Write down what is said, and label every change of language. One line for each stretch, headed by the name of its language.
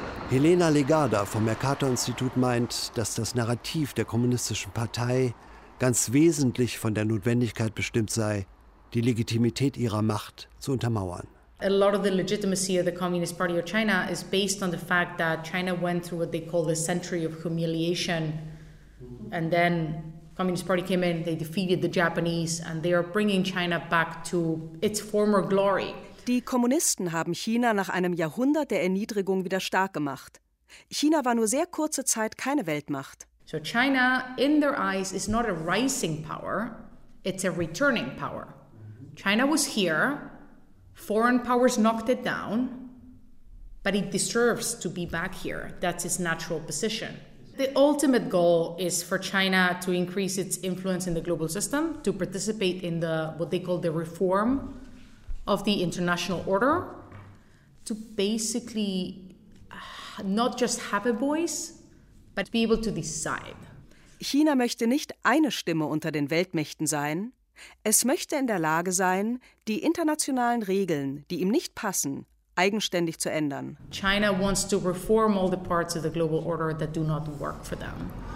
German: Helena Legarda vom Mercator-Institut meint, dass das Narrativ der Kommunistischen Partei ganz wesentlich von der Notwendigkeit bestimmt sei, die Legitimität ihrer Macht zu untermauern.
English: A lot of the legitimacy of the Communist Party of China is based on the fact that China went through what they call the century of humiliation, and then Communist Party came in, they defeated the Japanese, and they are bringing China back to its former glory.
German: Die Kommunisten haben China nach einem Jahrhundert der Erniedrigung wieder stark gemacht. China war nur sehr kurze Zeit keine Weltmacht.
English: So China, in their eyes, is not a rising power, it's a returning power. China was here, foreign powers knocked it down, but it deserves to be back here. That's its natural position. The ultimate goal is for China to increase its influence in the global system, to participate in the what they call the reform of the international order, to basically not just have a voice, but be able to decide.
German: China möchte nicht eine Stimme unter den Weltmächten sein. Es möchte in der Lage sein, die internationalen Regeln, die ihm nicht passen, eigenständig zu ändern.
English: China wants to reform all the parts of the global order that do not work for them.